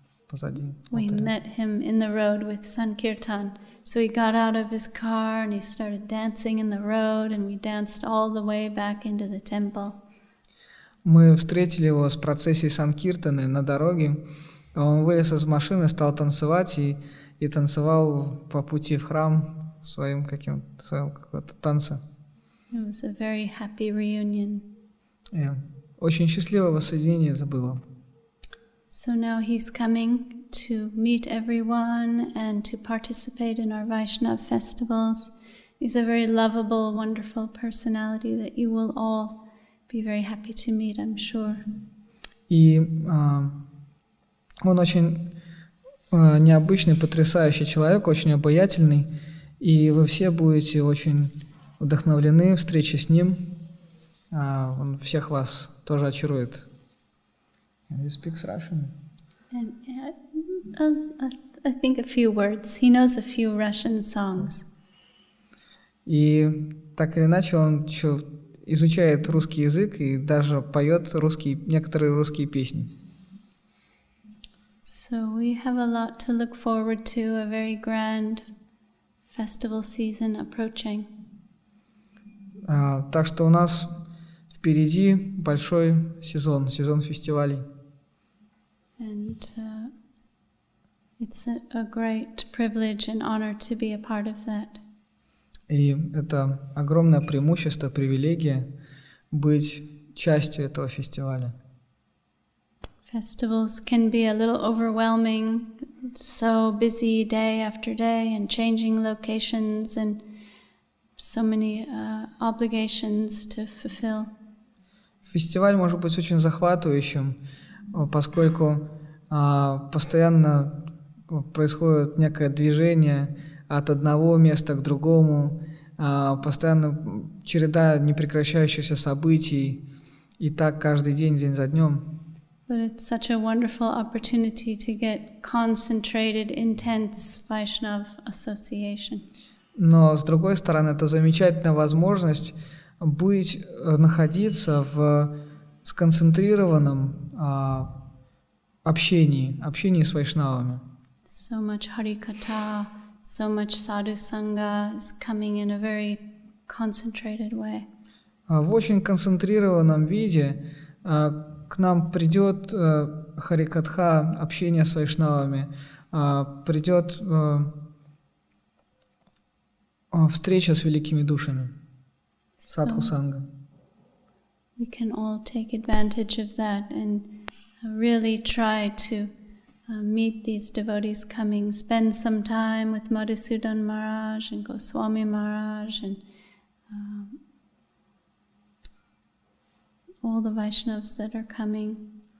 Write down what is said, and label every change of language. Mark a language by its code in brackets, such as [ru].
[ru] Позади. [en] We met him in the road with Sankirtan. So he got out of his car and he started dancing in the road and we danced all the way back into the temple. [ru] Мы встретили его с процессией Санкиртаны на дороге. Он вылез из машины, стал танцевать и танцевал по пути в храм своим какого-то танца. [en] It was a very happy reunion. [ru] Очень счастливое воссоединение забыло. [en] So now he's coming to meet everyone and to participate in our Vaishnava festivals. He's a very lovable, wonderful personality that you will all be very happy to meet, I'm sure. [ru] И он очень необычный, потрясающий человек, очень обаятельный, и вы все будете очень вдохновлены встречей с ним. Он всех вас тоже очарует. [en] He speaks Russian. And I think a few words. He knows a few Russian songs. [ru] И так или иначе он еще изучает русский язык и даже поет некоторые русские песни. [en] So we have a lot to look forward to, a very grand festival season approaching. [ru] Так что у нас впереди большой сезон фестивалей. [en] And it's a great privilege and honor to be a part of that. [ru] И это огромное преимущество, привилегия быть частью этого фестиваля. [en] Festivals can be a little overwhelming, so busy day after day and changing locations and so many obligations to fulfill. [ru] Фестиваль может быть очень захватывающим, поскольку постоянно происходит некое движение от одного места к другому, постоянно череда непрекращающихся событий, и так каждый день за днем. [en] But it's such a wonderful opportunity to get concentrated, intense Vaishnav association. [ru] Но с другой стороны, это замечательная возможность быть, находиться в сконцентрированном общении с вайшнавами. [en] So much Harikatha, so much Sadhu Sangha is coming in a very concentrated way. [ru] В очень концентрированном виде к нам придет Харикатха, общение с вайшнавами, придет встреча с великими душами, Садху Санга. [en] We can all take advantage of that and really try to meet these devotees coming, spend some time with Madhusudan Maharaj and Goswami Maharaj and all the Vaishnavas that are coming.